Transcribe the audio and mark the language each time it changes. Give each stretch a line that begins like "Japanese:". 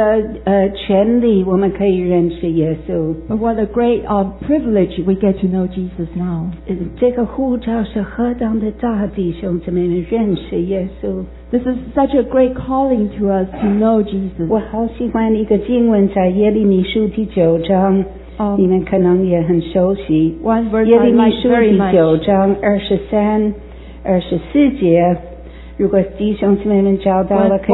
Chinese: 是何等大的一个机会，何等大的一个权利，我们可以认识耶稣。
English: But what a great privilege we get to know Jesus now.
Chinese: 这个呼召是何等的大，弟兄姊妹们，认识耶稣。
English: This is such a great calling to us to know Jesus.
Chinese: 我好喜欢一个经文，在耶利米书第九章，你们可能也很熟悉。
English: One verse I like very much.
Chinese: 耶利米书第九章二十三、二十四节，如果弟兄姊妹们找到了，可以。